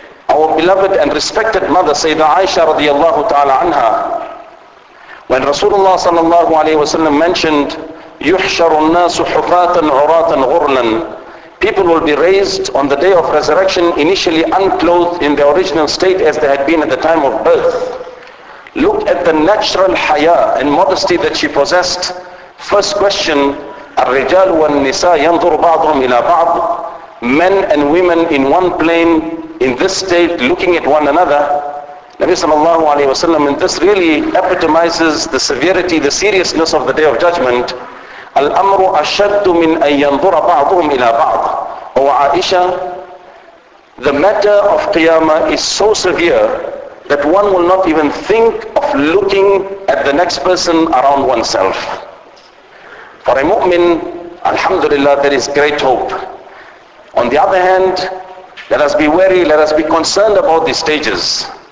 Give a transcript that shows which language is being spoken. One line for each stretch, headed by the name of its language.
English: Our beloved and respected mother Sayyidina Aisha radiallahu ta'ala anha, when Rasulullah sallallahu alayhi wa sallam mentioned,
Arabic: يُحْشَرُ النَّاسُ حُفَاتًا عُرَاتًا غُرْنًا,
English: people will be raised on the day of resurrection initially unclothed in their original state as they had been at the time of birth. Look at the natural haya and modesty that she possessed. First question,
Arabic: الرجال والنساء ينظر بعضهم إلى بعض.
English: Men and women in one plane, in this state, looking at one another. Nabi sallallahu alayhi wa sallam, and this really epitomizes the severity, the seriousness of the Day of Judgment.
Arabic: الأمر أشد من أن ينظر بعضهم إلى بعض.
English: O Aisha, the matter of Qiyamah is so severe that one will not even think of looking at the next person around oneself. For a mu'min, alhamdulillah, there is great hope. On the other hand, let us be wary, let us be concerned about these stages.